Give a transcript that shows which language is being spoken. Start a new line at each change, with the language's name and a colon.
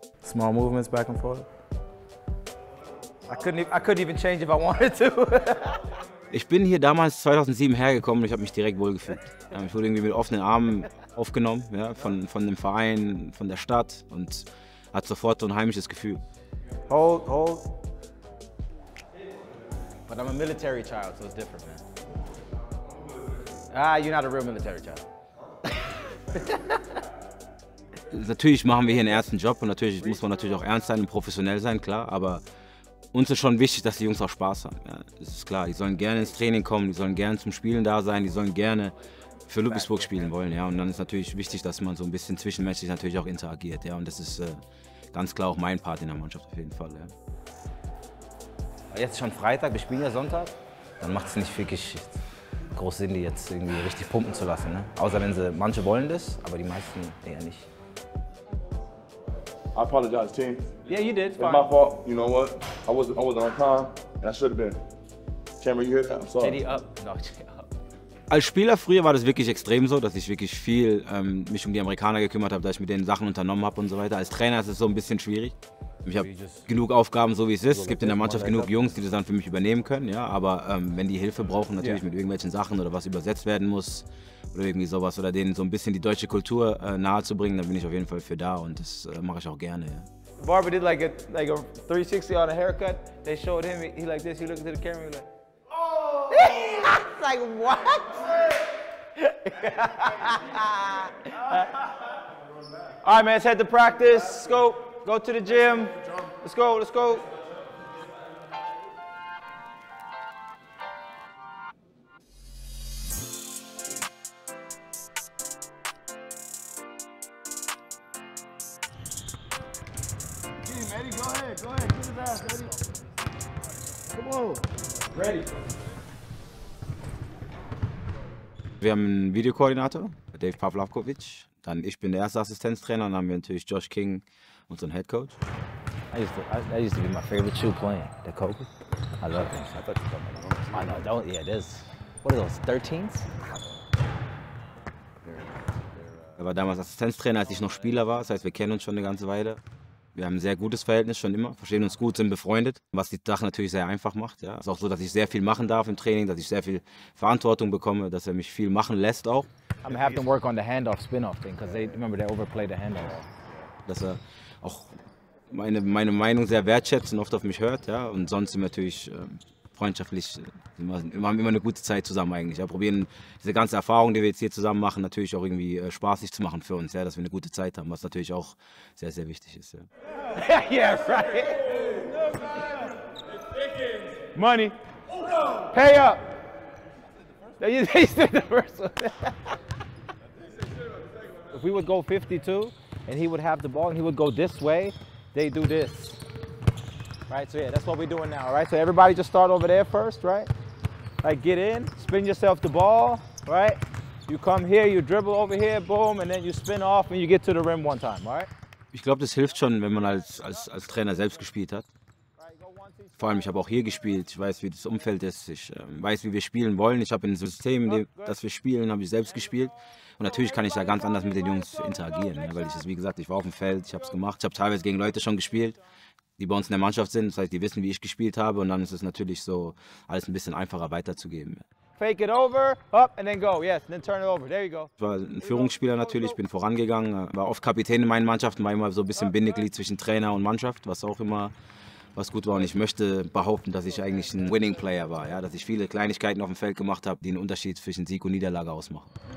English: Small movements back and forth. I couldn't even change if I wanted to.
German: Ich bin hier damals 2007 hergekommen und ich habe mich direkt wohlgefühlt. Ich wurde irgendwie mit offenen Armen aufgenommen, ja, von dem Verein, von der Stadt und hat sofort so ein heimisches Gefühl.
English: Hold. But I'm a military child, so it's different, man. Ah, you're not a real military child.
German: Natürlich machen wir hier einen ernsten Job und natürlich muss man natürlich auch ernst sein und professionell sein, klar. Aber uns ist schon wichtig, dass die Jungs auch Spaß haben. Ja, das ist klar, die sollen gerne ins Training kommen, die sollen gerne zum Spielen da sein, die sollen gerne für Ludwigsburg spielen wollen. Ja. Und dann ist natürlich wichtig, dass man so ein bisschen zwischenmenschlich natürlich auch interagiert. Ja. Und das ist ganz klar auch mein Part in der Mannschaft auf jeden Fall. Ja. Jetzt ist schon Freitag, wir spielen ja Sonntag. Dann macht es nicht wirklich groß Sinn, die jetzt irgendwie richtig pumpen zu lassen. Ne? Außer wenn sie, manche wollen das, aber die meisten eher nicht.
English: I apologize, team. Yeah, you did. It's fine. My fault. You know what? I wasn't on time and I should have been. Chamber, you hear that? I'm sorry. JD up. No, JD up.
German: Als Spieler früher war das wirklich extrem so, dass ich wirklich viel mich um die Amerikaner gekümmert habe, dass ich mit denen Sachen unternommen habe und so weiter. Als Trainer ist es so ein bisschen schwierig. Ich habe genug Aufgaben, so wie es ist. Es gibt in der Mannschaft genug Jungs, die das dann für mich übernehmen können. Ja? Aber wenn die Hilfe brauchen, natürlich mit irgendwelchen Sachen oder was übersetzt werden muss oder irgendwie sowas oder denen so ein bisschen die deutsche Kultur nahezubringen, dann bin ich auf jeden Fall für da und das mache ich auch gerne. Ja.
English: Barber did like a 360 on a haircut. They showed him, he like this, he looked into the camera, he like, oh! Like, what? All right, man, let's head to practice. Let's go. Go to the gym. Let's go. Okay, Maddie, go ahead. Get his ass, Maddie. Come on. Ready.
German: Wir haben einen Videokoordinator, Dave Pavlovkovic. Dann ich bin der erste Assistenztrainer und dann haben wir natürlich Josh King, unseren Head Coach.
English: That used to be my favorite shoe playing, the Kobe. I love them. I thought you were talking about my arms. Oh, no, don't. Yeah, this. What are those, 13s?
German: Er war damals Assistenztrainer, als ich noch Spieler war. Das heißt, wir kennen uns schon eine ganze Weile. Wir haben ein sehr gutes Verhältnis schon immer, verstehen uns gut, sind befreundet, was die Sache natürlich sehr einfach macht. Ja. Es ist auch so, dass ich sehr viel machen darf im Training, dass ich sehr viel Verantwortung bekomme, dass er mich viel machen lässt auch.
English: I'm gonna have to work on the handoff spin-off thing, because they remember they overplay the handoff.
German: Dass er auch meine Meinung sehr wertschätzt und oft auf mich hört. Ja. Und sonst sind wir natürlich freundschaftlich, wir haben immer eine gute Zeit zusammen eigentlich. Ja. Probieren diese ganze Erfahrung, die wir jetzt hier zusammen machen, natürlich auch irgendwie spaßig zu machen für uns, ja, dass wir eine gute Zeit haben, was natürlich auch sehr, sehr wichtig ist. Ja.
English: Yeah, right. Money. Pay up. They said the first one. If we would go 52 and he would have the ball and he would go this way, they do this. Right, so yeah, that's what we're doing now, right? So everybody just start over there first, right? Like get in, spin yourself the ball, right? You come here, you dribble over here, boom, and then you spin off and you get to the rim one time, right?
German: Ich glaube, das hilft schon, wenn man als Trainer selbst gespielt hat. Vor allem, ich habe auch hier gespielt, ich weiß, wie das Umfeld ist, ich weiß, wie wir spielen wollen. Ich habe in dem System, das wir spielen, habe ich selbst gespielt. Und natürlich kann ich da ganz anders mit den Jungs interagieren, ja, weil ich es, wie gesagt, ich war auf dem Feld, ich habe es gemacht, ich habe teilweise gegen Leute schon gespielt, die bei uns in der Mannschaft sind, das heißt, die wissen, wie ich gespielt habe und dann ist es natürlich so, alles ein bisschen einfacher weiterzugeben.
English: Fake it over, up and then go, yes, and then turn it over, there you go.
German: Ich war ein Führungsspieler natürlich, bin vorangegangen, war oft Kapitän in meinen Mannschaften, war immer so ein bisschen Bindeglied zwischen Trainer und Mannschaft, was auch immer, was gut war und ich möchte behaupten, dass ich eigentlich ein Winning Player war, ja, dass ich viele Kleinigkeiten auf dem Feld gemacht habe, die einen Unterschied zwischen Sieg und Niederlage ausmachen.